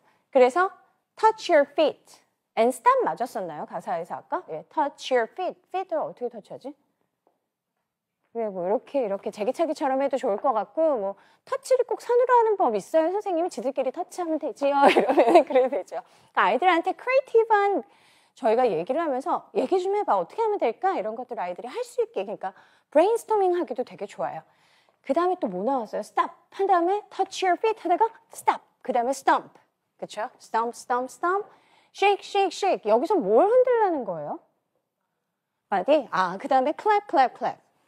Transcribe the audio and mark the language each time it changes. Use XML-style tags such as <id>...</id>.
<ko>그래서</ko> <en>touch your feet and stomp</en> <ko>맞았었나요? 가사에서 아까? 예, touch your feet. feet을 어떻게 터치하지? 예, 뭐 이렇게 재기차기처럼 해도 좋을 것 같고 뭐 터치를 꼭 선으로 하는 법 있어요? 선생님이 지들끼리 터치하면 되지요? 이러면 그래도 되죠. 그러니까 아이들한테 크리에이티브한 저희가 얘기를 하면서 얘기 좀 해봐. 어떻게 하면 될까? 이런 것들 아이들이 할 수 있게 그러니까 브레인스토밍 하기도 되게 좋아요. 그 다음에 또 뭐 나왔어요? stop 한 다음에</ko> <en>touch your feet</en> <ko>하다가 stop 그 다음에 stomp. 그쵸?</ko> <en>stomp, stomp, stomp. shake, shake, shake.</en> <ko>여기서 뭘 흔들라는 거예요? 어디? 아, 그 다음에 clap, clap, clap.</ko>